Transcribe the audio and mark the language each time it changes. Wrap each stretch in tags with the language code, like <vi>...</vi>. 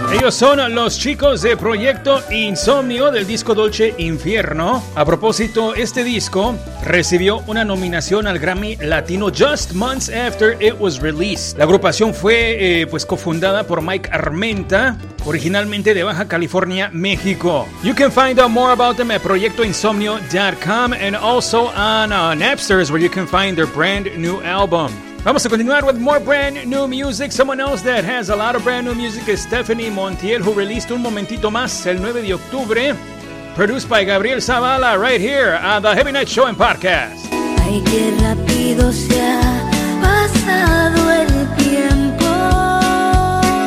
<es>Son los chicos de Proyecto Insomnio del disco Dolce Infierno. A propósito, este disco recibió una nominación al Grammy Latino</es> <en>just months after it was released.</en> <es>La agrupación fue cofundada por Mike Armenta, originalmente de Baja California, México.</es> <en>You can find out more about them at proyectoinsomnio.com and also on Napster, where you can find their brand new album.</en> <es>Vamos a continuar</es> <en>with more brand new music. Someone else that has a lot of brand new music is Stephanie Montiel, who released Un Momentito Más</en> <es>el 9 de octubre.</es> <en>Produced by Gabriel Zavala, right here on the Heavy Night Show and Podcast.</en> <es>Ay, qué rápido se ha pasado el tiempo.</es>